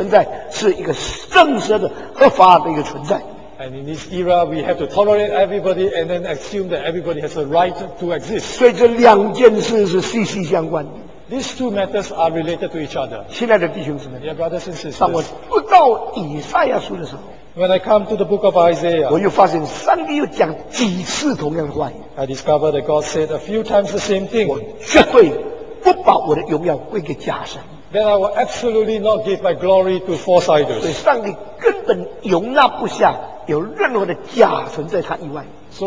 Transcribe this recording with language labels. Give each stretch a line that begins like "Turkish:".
Chinese: 像我们只有这个相对的中间，彼此容忍，彼此接待，彼此尊重，彼此承认别人存在，是一个正确的、合法的一个存在。
English: And in this era, we have to tolerate everybody and then assume that everybody has a right to exist.
Chinese: 所以这两件事是息息相关的。These
English: two matters are related to each other.
Chinese: 亲爱的弟兄姊妹,
English: dear brothers and sisters,
Chinese: 当我读到以赛亚书的时候,
English: when I come to the book of Isaiah,
Chinese: 我又发现上帝又讲几次同样的话语。
English: I discovered that God said a few times the same thing.
Chinese: 我绝对不把我的荣耀归给假神。
English: Then I will absolutely not give my glory to false idols.
Chinese: 所以上帝根本容纳不下。有任何的假存在他以外。So